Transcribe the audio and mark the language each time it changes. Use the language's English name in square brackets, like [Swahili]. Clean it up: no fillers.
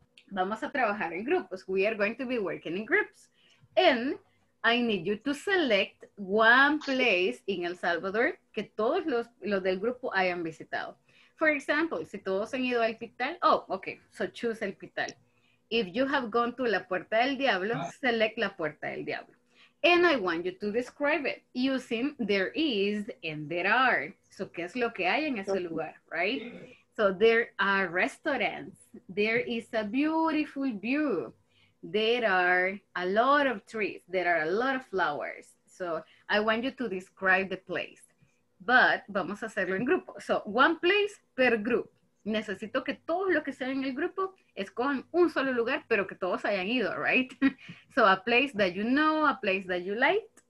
[Spanish] Vamos a trabajar en grupos. [English] We are going to be working in groups. And I need you to select one place in El Salvador [Spanish] que todos los del grupo hayan visitado. [English] For example, [Spanish] si todos han ido al [English] Pital, oh, okay, so choose El Pital. If you have gone to La Puerta del Diablo, select La Puerta del Diablo. And I want you to describe it using there is and there are. [Spanish] So, ¿qué es lo que hay en ese lugar, right? [English] So, there are restaurants. There is a beautiful view. There are a lot of trees. There are a lot of flowers. So, I want you to describe the place. But, [Spanish] vamos a hacerlo en grupo. [English] So, one place per group. [Spanish] Necesito que todos los que sean en el grupo escojan un solo lugar, pero que todos hayan ido, right? [English] So, a place that you know, a place that you like.